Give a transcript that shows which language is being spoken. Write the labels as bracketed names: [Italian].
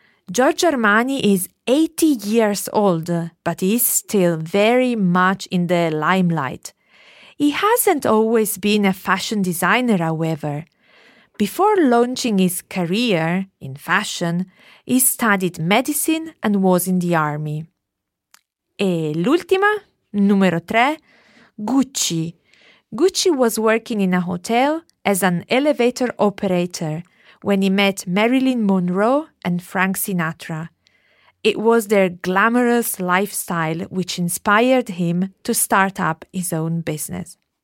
[English] Giorgio Armani is 80 years old, but is still very much in the limelight. He hasn't always been a fashion designer, however. Before launching his career in fashion, he studied medicine and was in the army. [Italian] E l'ultima, numero tre, Gucci. [English] Gucci was working in a hotel as an elevator operator when he met Marilyn Monroe and Frank Sinatra. It was their glamorous lifestyle which inspired him to start up his own business.